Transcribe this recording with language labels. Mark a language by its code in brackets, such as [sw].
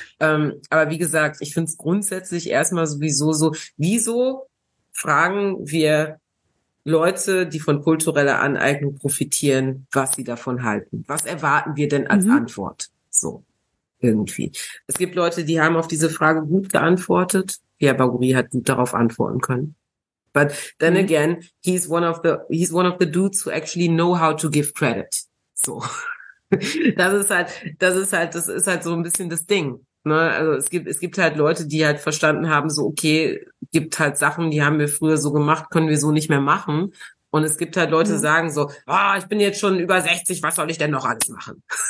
[de] Aber wie gesagt, ich finde es grundsätzlich erstmal sowieso so, wieso fragen wir Leute, die von kultureller Aneignung profitieren, was sie davon halten? Was erwarten wir denn als Antwort? So, irgendwie. Es gibt Leute, die haben auf diese Frage gut geantwortet. Pierre Baguri hat gut darauf antworten können. [en] But then again, he's one of the dudes who actually know how to give credit. So. [de] das ist halt so ein bisschen das Ding. Ne? Also es gibt halt Leute, die halt verstanden haben, so okay, gibt halt Sachen, die haben wir früher so gemacht, können wir so nicht mehr machen. Und es gibt halt Leute, die sagen so, oh, ich bin jetzt schon über 60, was soll ich denn noch alles machen?